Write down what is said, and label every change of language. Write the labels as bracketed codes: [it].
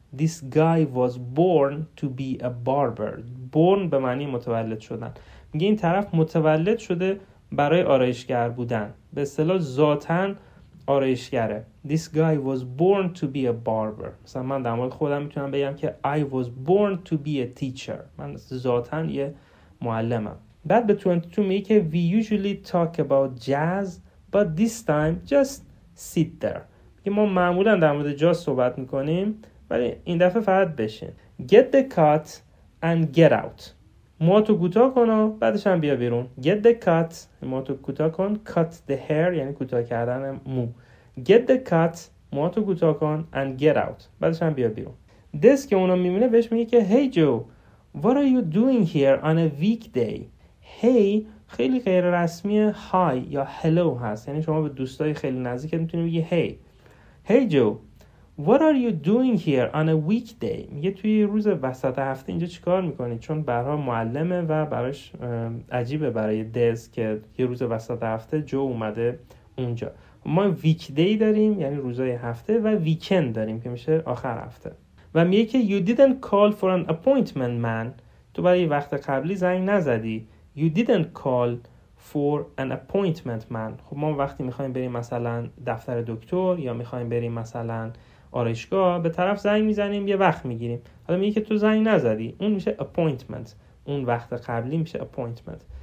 [en] This guy was born to be a barber. [fa] Born به معنی متولد شدن. میگه این طرف متولد شده برای آرایشگر بودن. به اصطلاح ذاتن آرایشگره. [en] This guy was born to be a barber. [fa] مثلا من در مورد خودم میتونم بگم که [en] I was born to be a teacher. [fa] من ذاتن یه معلمم. بعد به 22 میگه که [en] We usually talk about jazz but this time just sit there. [fa] که ما معمولا در مورد جاز صحبت میکنیم ولی این دفعه فقط بشین. [en] Get the cut and get out. [fa] موهاتو کوتاه کن و بعدش هم بیا بیرون. [en] Get the cut. [fa] موهاتو کوتاه کن. [en] Cut the hair [fa] یعنی کوتاه کردن مو. [en] Get the cut. [fa] موهاتو کوتاه کن [en] and get out. [fa] بعدش هم بیا بیرون. Dez که اونو میبینه بهش میگه که [en] Hey Joe, what are you doing here on a weekday? [fa] Hey خیلی غیر رسمیه. Hi یا hello هست. یعنی شما به دوستای خیلی نزدیکت میتونی بگی Hey. [en] Hey Joe, What are you doing here on a weekday? [fa] میگه توی روز وسط هفته اینجا چیکار میکنی؟ چون برها معلمه و براش عجیبه برای Dez که یه روز وسط هفته جو اومده اونجا. ما weekday داریم یعنی روزای هفته و weekend داریم که میشه آخر هفته. و میگه که [en] You didn't call for an appointment man. [fa] تو برای وقت قبلی زنگ نزدی. [en] You didn't call for an appointment man. [fa] خب ما وقتی میخواییم بریم مثلا دفتر دکتر یا میخواییم بریم مثلا آرایشگاه به طرف زنگ میزنیم یه وقت میگیریم. حالا میگه که تو زنگ نزدی. اون میشه appointment. اون وقت قبلی میشه appointment.